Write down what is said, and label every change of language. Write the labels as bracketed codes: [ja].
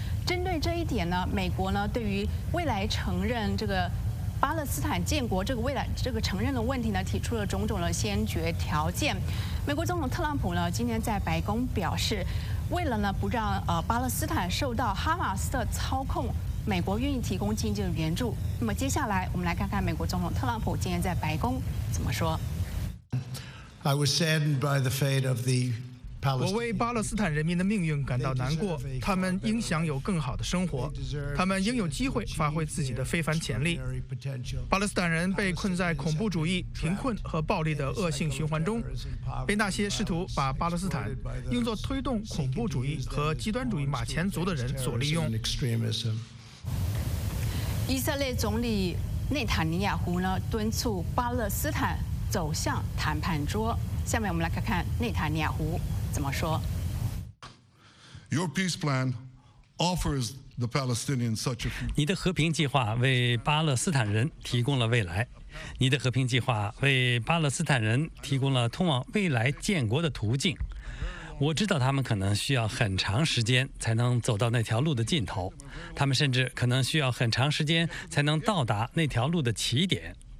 [zh] 针对这一点呢，美国呢对于未来承认这个巴勒斯坦建国这个未来这个承认的问题呢，提出了种种的先决条件。美国总统特朗普呢今天在白宫表示，为了呢不让巴勒斯坦受到哈马斯的操控，美国愿意提供经济援助。那么接下来我们来看看美国总统特朗普今天在白宫怎么说。 [en] I was saddened by the fate of the... [zh] 我为巴勒斯坦人民的命运感到难过，他们应享有更好的生活，他们应有机会发挥自己的非凡潜力。巴勒斯坦人被困在恐怖主义、贫困和暴力的恶性循环中，被那些试图把巴勒斯坦用作推动恐怖主义和极端主义马前卒的人所利用。以色列总理内塔尼亚胡呢，敦促巴勒斯坦走向谈判桌。下面我们来看看内塔尼亚胡怎么说。 [en] Your peace plan offers the Palestinians such a future. [zh] 你的和平计划为巴勒斯坦人提供了未来。你的和平计划为巴勒斯坦人提供了通往未来建国的途径。我知道他们可能需要很长时间才能走到那条路的尽头，他们甚至可能需要很长时间才能到达那条路的起点。